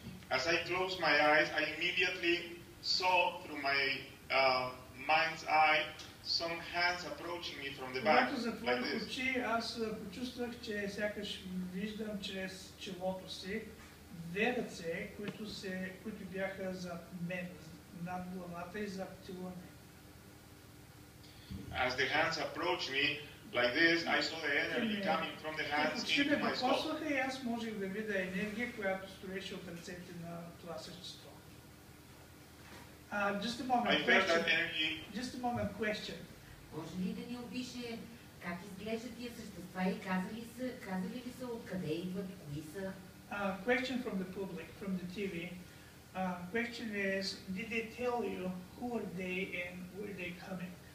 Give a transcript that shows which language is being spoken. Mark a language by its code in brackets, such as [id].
[en] As I closed my eyes, I immediately saw through my mind's eye some hands approaching me from the back. [bg] Когато затворих очи, аз почувствах, че сякаш виждам чрез челото си две ръце, които бяха зад мен, над главата и зад тела ми. [en] As the hands approached me, like this, I saw the energy coming from the hands into my skull. [bg] И аз можех да видя енергия, която стоеше от ръцете на това същество. [en] Just a moment, I felt that energy. Just a moment, question. [bg] Може ли да ни опише как изглеждат тия същества и казали ли са откъде идват, кои са? [en] Question from the public, from the TV. Question is, did they tell you who are they and where they coming?